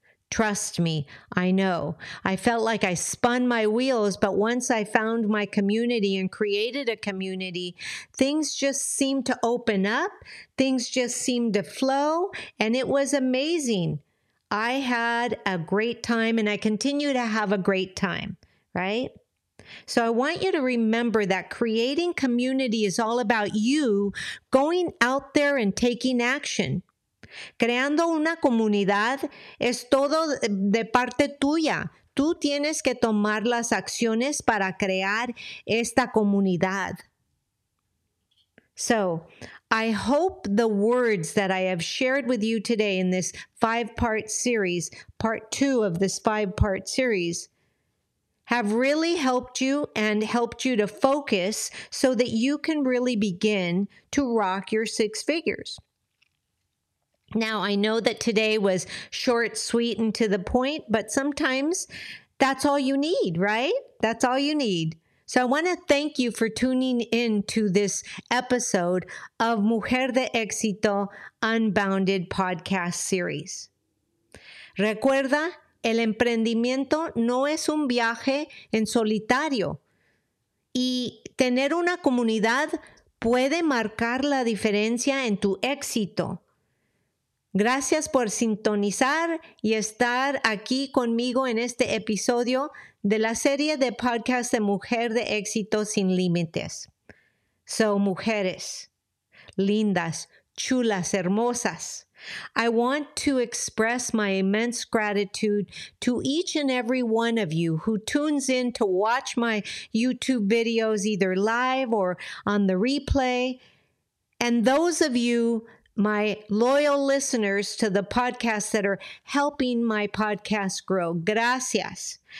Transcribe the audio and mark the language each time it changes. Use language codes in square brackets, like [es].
[en] Trust me, I know. I felt like I spun my wheels, but once I found my community and created a community, things just seemed to open up, things just seemed to flow, and it was amazing. I had a great time, and I continue to have a great time, right? So I want you to remember that creating community is all about you going out there and taking action. [es] Creando una comunidad es todo de parte tuya. Tú tienes que tomar las acciones para crear esta comunidad. [en] So I hope the words that I have shared with you today in this five-part series, part two of this five-part series, have really helped you and helped you to focus so that you can really begin to rock your six figures. Now, I know that today was short, sweet, and to the point, but sometimes that's all you need, right? That's all you need. So I want to thank you for tuning in to this episode of Mujer de Éxito Unbounded podcast series. [es] Recuerda, el emprendimiento no es un viaje en solitario. Y tener una comunidad puede marcar la diferencia en tu éxito. Gracias por sintonizar y estar aquí conmigo en este episodio de la serie de podcast de Mujer de Éxito Sin Límites. [en] So, [es] mujeres, lindas, chulas, hermosas, [en] I want to express my immense gratitude to each and every one of you who tunes in to watch my YouTube videos either live or on the replay, and those of you, my loyal listeners to the podcast that are helping my podcast grow. [es] Gracias.